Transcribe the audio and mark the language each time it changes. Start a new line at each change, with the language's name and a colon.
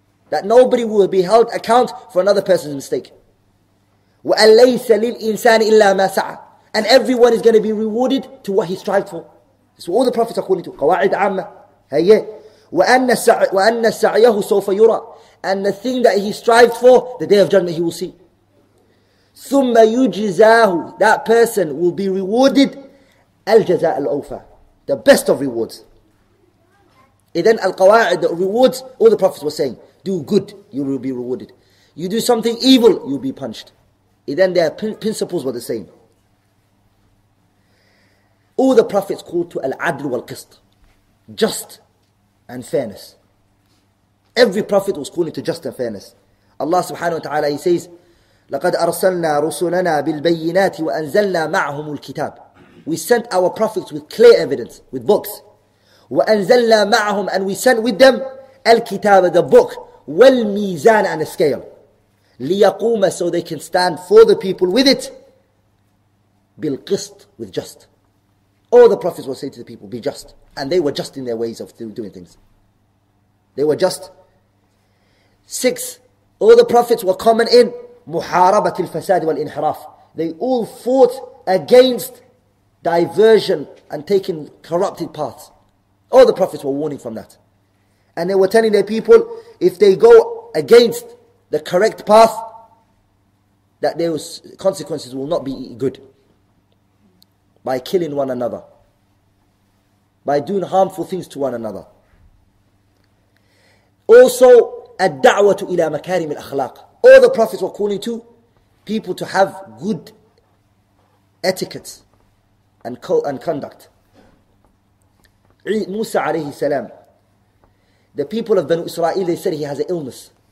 English: That nobody will be held account for another person's mistake.
Arabic: وأن ليس للإنسان إلا ما سعى.
English: And everyone is going to be rewarded to what he strived for. So all the prophets are calling to
Arabic: قواعد عامة. هيا. وأن سعيه سوف يرى.
English: And the thing that he strived for, the day of judgment he will see.
Arabic: ثم يجزاه.
English: That person will be rewarded
Arabic: الجزاء الأوفى,
English: the best of rewards.
Arabic: إذن القواعد,
English: the rewards, all the prophets were saying, do good, you will be rewarded. You do something evil, you'll be punished. إذن their principles were the same. All the prophets called to
Arabic: العدل والقسط,
English: just and fairness. Every prophet was calling to just and fairness. Allah subhanahu wa ta'ala, He says,
Arabic: لقد أرسلنا رسلنا بالبينات وأنزلنا معهم الكتاب.
English: We sent our prophets with clear evidence, with books.
Arabic: وأنزلنا معهم,
English: and we sent with them الكتاب, the book, والميزان, and a scale. ليقوم, so they can stand for the people with it, بالقسط, with just. All the prophets will say to the people, be just. And they were just in their ways of doing things. They were just. Six, all the prophets were common in
Arabic: محاربة الفساد والانحراف.
English: They all fought against diversion and taking corrupted paths. All the prophets were warning from that. And they were telling their people, if they go against the correct path, that those consequences will not be good. By killing one another, by doing harmful things to one another. Also,
Arabic: الدعوة إلى مكارم الأخلاق.
English: All the prophets were calling to people to have good etiquette and conduct. Musa عليه السلام, The people of Banu Israel, they said he has an illness.